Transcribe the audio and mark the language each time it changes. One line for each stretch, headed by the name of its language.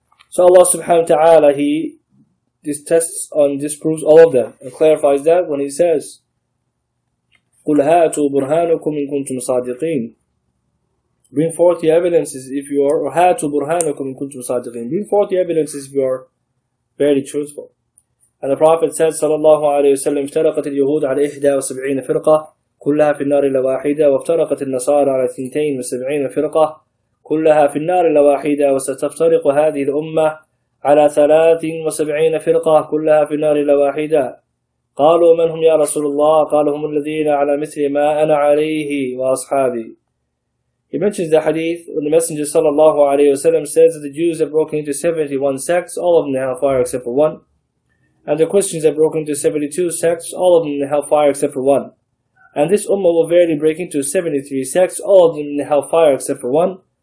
English: So Allah subhanahu wa ta'ala, He tests and disproves all of them and clarifies that when He says,
Arabic: قُلْ هَاتُوا بُرْهَانُكُمْ إِن كُنْتُمْ صَادِقِينَ.
English: Bring forth the evidences if you are, or
Arabic: هَاتُوا بُرْهَانُكُمْ إِن كُنْتُمْ صَادِقِينَ.
English: Bring forth the evidences if you are very truthful. And the Prophet said,
Arabic: صلى الله عليه وسلم, افترقت اليهود على 71 فرقة كلها في النار إلا واحدة وافترقت النصارى على 72 فرقة كلها في النار إلا واحدة وستفترق هذه الأمة على 73 فرقة كلها في النار إلا واحدة. قالوا من هم يا رسول الله؟ قال هم الذين على مثل ما أنا عليه وأصحابي.
English: He mentions the hadith when the Messenger صلى الله عليه وسلم says that the Jews have broken into 71 sects, all of them in hellfire except for one. And the Christians have broken into 72 sects, all of them in hellfire except for one. And this ummah will verily break into 73 sects, all of them in hellfire except for one.